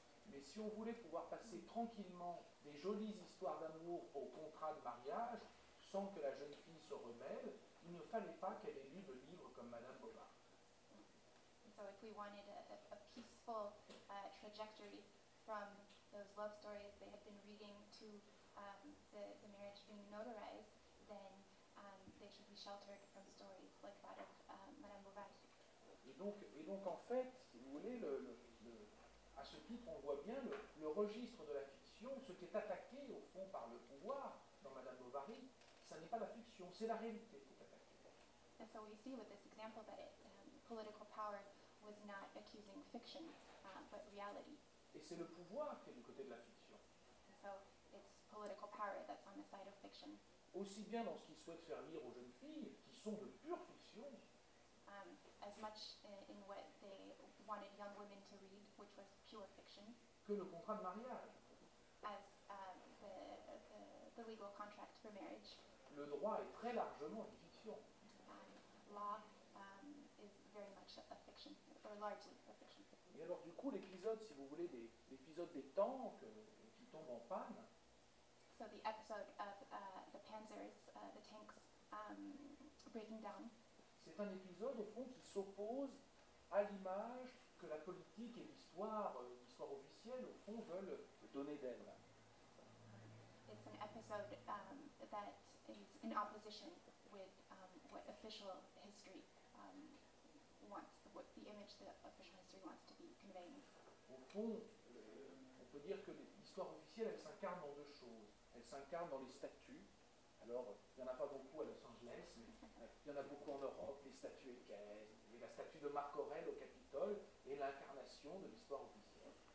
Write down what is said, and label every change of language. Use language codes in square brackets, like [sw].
[fr] Mais si on voulait pouvoir passer tranquillement des jolies histoires d'amour au contrat de mariage sans que la jeune fille se rebelle, il ne fallait pas qu'elle ait lu le livre comme Madame Bovary. [en] So if we wanted a peaceful trajectory from those love stories they had been reading to the marriage being notarized, then they should be sheltered from stories like that of Madame Bovary. [fr] Et donc en fait, si vous voulez, à ce titre, on voit bien le registre de la fiction, ce qui est attaqué au fond par le pouvoir dans Madame Bovary, ça n'est pas la fiction, c'est la réalité qui est attaquée. [en] And so we see with this example that political power was not accusing fiction, but reality. [fr] Et c'est le pouvoir qui est du côté de la fiction. [en] And so it's political power that's on the side of fiction. [fr] Aussi bien dans ce qu'il souhaite faire lire aux jeunes filles, qui sont de pure fiction. [en] As much in what they wanted young women to read, which was pure fiction, [fr] que le contrat de mariage. [en] As the legal contract for marriage. [fr] Le droit est très largement une fiction. [en] Law is very much a fiction, or largely a fiction. [fr] Et alors du coup, l'épisode, si vous voulez, l'épisode des tanks qui tombent en panne. [en] So the episode of the panzers, the tanks breaking down. [fr] C'est un épisode, au fond, qui s'oppose à l'image que la politique et l'histoire officielle, au fond, veulent donner d'elle. [en] It's an episode that is in opposition with what official history wants, what the image that official history wants to be conveying. [fr] Au fond, on peut dire que l'histoire officielle, elle s'incarne dans deux choses. Elle s'incarne dans les statues. Alors, il n'y en a pas beaucoup à Los Angeles, mais il y en a beaucoup en Europe, les statues équestres, et la statue de Marc Aurèle au Capitole est l'incarnation de l'histoire officielle.